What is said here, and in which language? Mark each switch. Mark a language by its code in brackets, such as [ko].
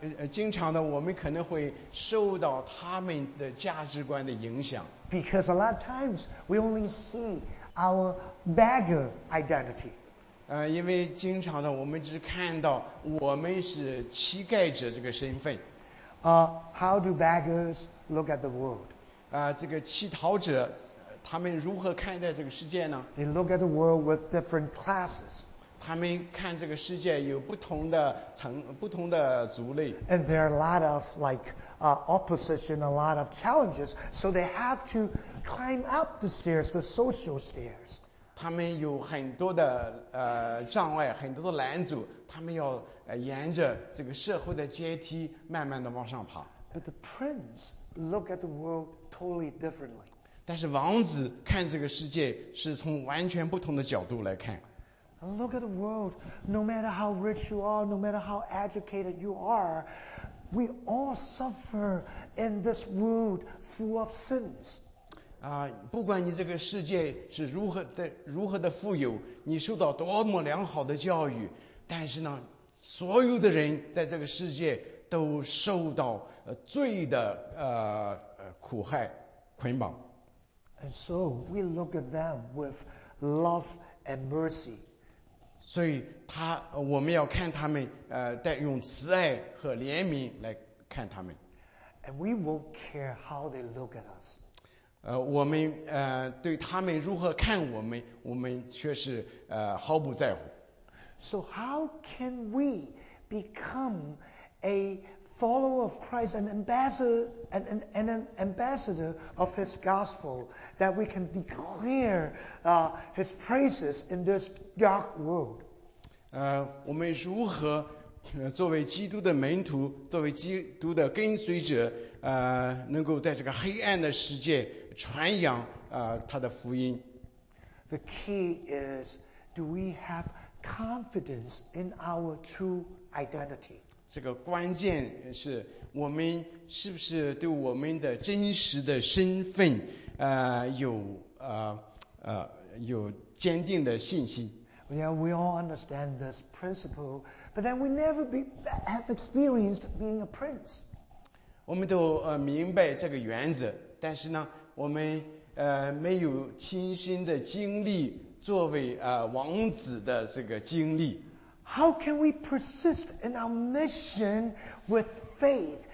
[zh] 经常的我们可能会受到他们的价值观的影响。 [en] Because a lot of times we only see our beggar identity. [zh] 因为经常的我们只看到我们是乞丐者这个身份。 [en] How do beggars look at the world? [zh] 这个乞讨者他们如何看待这个世界呢？ [en] They look at the world with different classes. [zh] 他们看这个世界有不同的层，不同的族类。 [en] And there are a lot of like opposition, a lot of challenges, so they have to climb up the stairs, the social stairs. [zh] 他们有很多的障碍，很多的拦阻，他们要沿着这个社会的阶梯慢慢的往上爬。 [en] But the prince look at the world totally differently. [zh] 但是王子看这个世界是从完全不同的角度来看。 [en] Look at the world, no matter how rich you are, no matter how educated you are, we all suffer in this world full of sins. [zh] 不管你这个世界是如何的富有，你受到多么良好的教育，但是呢，所有的人在这个世界都受到罪的苦害捆绑。 [en] And so we look at them with love and mercy. [zh] 所以他我们要看他们带用慈爱和怜悯来看他们。 [en] And we won't care how they look at us. [zh] 我们对他们如何看我们，我们却是毫不在乎。 [en] So how can we become a follower of Christ, an ambassador of his gospel, that we can declare his praises in this dark world. [zh] 我们如何作为基督的门徒，作为基督的跟随者，能够在这个黑暗的世界传扬他的福音。 [en] The key is, do we have confidence in our true identity? [zh] 这个关键是我们是不是对我们的真实的身份有坚定的信心。 [en] Yeah, we all understand this principle, but then we never have experienced being a prince. [zh] 我们都明白这个原则，但是呢，我们没有亲身的经历作为王子的这个经历。 [en] How can we persist in our mission with faith?